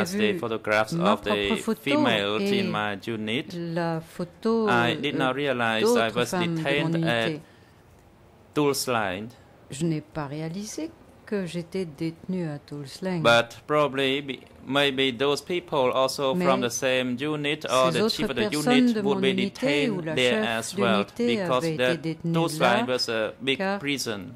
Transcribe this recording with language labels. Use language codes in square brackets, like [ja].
[en] as the photographs of the female in my unit, [fr] la photo [en] I did not realize I was detained at Tulsleng. [fr] Je n'ai pas réalisé que j'étais détenu à Tulsleng. [en] But probably, maybe those people also [fr] mais [en] from the same unit or the chief of the unit would be detained there as well because that Tulsleng was a big prison.